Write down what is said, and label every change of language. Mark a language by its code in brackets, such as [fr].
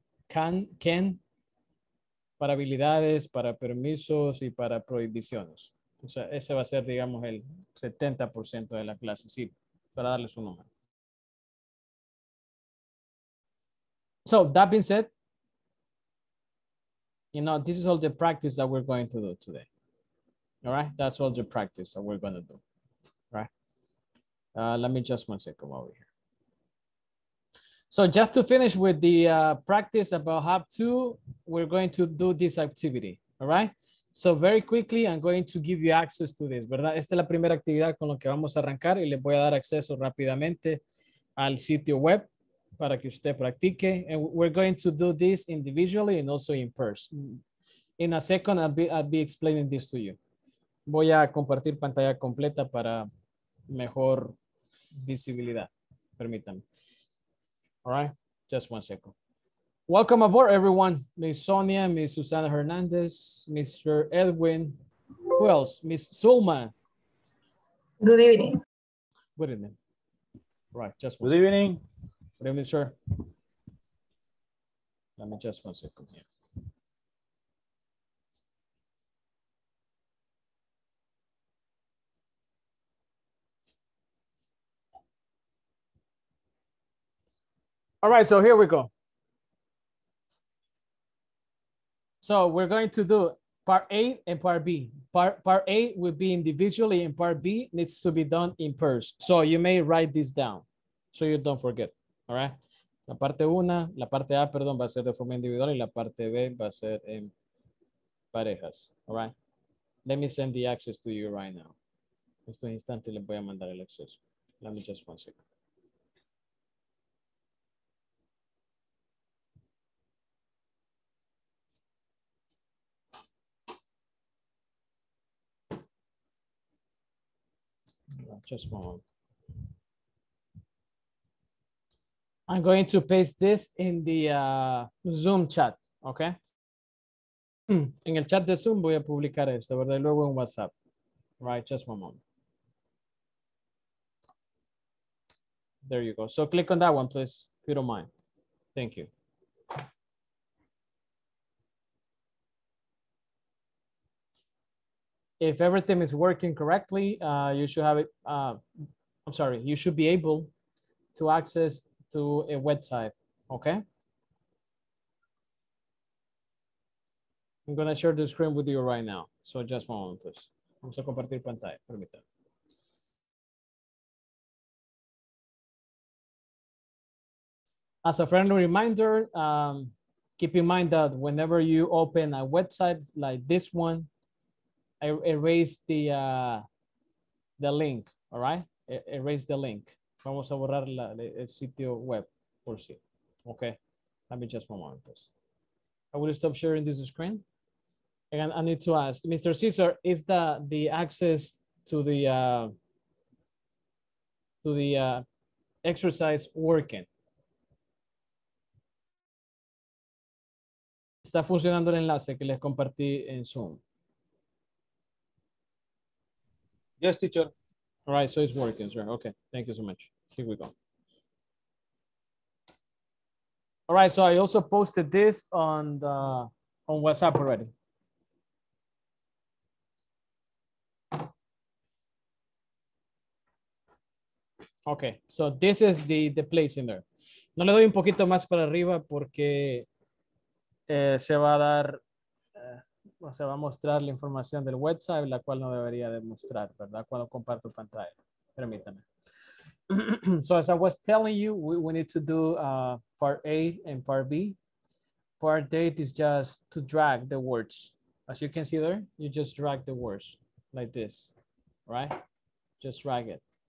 [es] Can, para habilidades, para permisos y para prohibiciones. O sea, ese va a ser, digamos, el 70% de la clase, sí, para darles un número. [en] So, that being said, you know, this is all the practice that we're going to do today. All right? That's all the practice that we're going to do. All right? Let me just one second over here. So just to finish with the practice about Hub 2, we're going to do this activity. All right? So very quickly, I'm going to give you access to this, ¿verdad? [es] Esta es la primera actividad con la que vamos a arrancar y les voy a dar acceso rápidamente al sitio web. Para que usted practique. [en] And we're going to do this individually and also in person. In a second, I'll be explaining this to you. [es] Voy a compartir pantalla completa para mejor visibilidad. Permítanme. [en] All right, just one second. Welcome aboard, everyone. Miss Sonia, Miss Susana Hernandez, Mr. Edwin. Who else? Miss Zulma. Good evening. Good evening. All right, just one good evening. Good evening, sir. Let me just one second here. All right, so here we go. So we're going to do part A and part B. Part A will be individually and part B needs to be done in person. So you may write this down so you don't forget. All right. [es] La parte A, va a ser de forma individual y la parte B va a ser en parejas. [en] All right. Let me send the access to you right now. [es] En este instante le voy a mandar el acceso. [en] Let me just one second. Just one moment. I'm going to paste this in the Zoom chat, okay? [es] En el chat de Zoom voy a publicar esto, ¿verdad? Luego en WhatsApp. [en] Right, just one moment. There you go. So click on that one, please, if you don't mind. Thank you. If everything is working correctly, you should have it, I'm sorry, you should be able to access to a website, okay? I'm gonna share the screen with you right now. So just one moment, please. [es] Vamos a compartir pantalla, permítanme. [en] As a friendly reminder, keep in mind that whenever you open a website like this one, I erase the link, all right? Erase the link. [es] Vamos a borrar el sitio web por si. [en] Okay. Let me just one moment, please. I will stop sharing this screen. Again, I need to ask, Mr. Caesar, is the access to the exercise working. [es] Está funcionando el enlace que les compartí en Zoom. [en] Yes, teacher. All right, so it's working, sir. Okay, thank you so much. Here we go. All right, so I also posted this on the on WhatsApp already. Okay, so this is the place in there. [es] No le doy un poquito más para arriba porque se va a dar, o se va a mostrar la información del website, la cual no debería demostrar, ¿verdad? Cuando comparto pantalla. Permítame. [en] So as I was telling you, we need to do part A and part B. Part A is just to drag the words. As you can see there, you just drag the words like this, right? Just drag it.